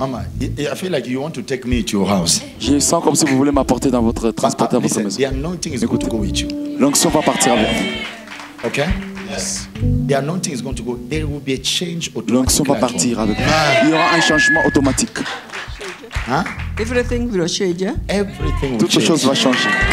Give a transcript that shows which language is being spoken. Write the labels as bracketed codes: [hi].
[en] Mama, I feel like you want to take me to your house. [fr] Je sens comme si vous voulez m'apporter dans votre transporter à votre maison. [en] The anointing is going to go with you. [fr] L'onction va partir avec vous. [en] Okay. Yes. The anointing is going to go. There will be a change. [fr] L'onction va partir avec vous. Il y aura un changement automatique. Hein? [en] Everything will change. Yeah? Everything will [fr] Toute [en] change. [fr] Chose va changer.